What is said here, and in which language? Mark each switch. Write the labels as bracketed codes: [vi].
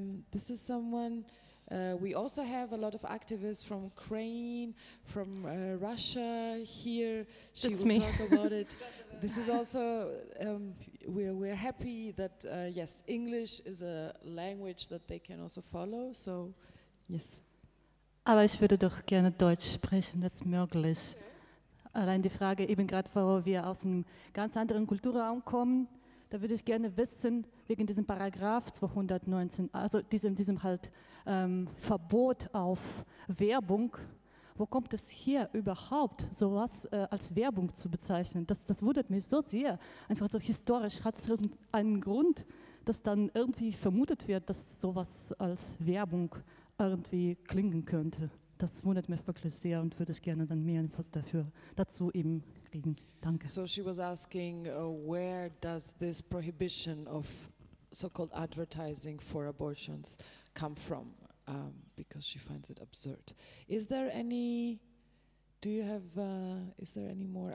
[en] This is someone. We also have a lot of activists from Ukraine, from Russia here. She will talk about it. This is also, we're happy that, yes, English is a language that they can also follow, so, yes. [de] Aber ich würde doch gerne Deutsch sprechen, wenn es möglich. Okay. Allein die Frage, eben gerade, wo wir aus einem ganz anderen Kulturraum kommen, da würde ich gerne wissen, wegen diesem Paragraph 219, also diesem halt Verbot auf Werbung, wo kommt es her überhaupt, sowas als Werbung zu bezeichnen? Das wundert mich so sehr, einfach so historisch, hat es irgendeinen Grund, dass dann irgendwie vermutet wird, dass sowas als Werbung irgendwie klingen könnte. Das wundert mich wirklich sehr und würde ich gerne dann mehr Infos dazu eben kriegen. Danke. [en] So she was asking, where does this prohibition of so-called advertising for abortions come from? Because she finds it absurd. Is there any, do you have, is there any more?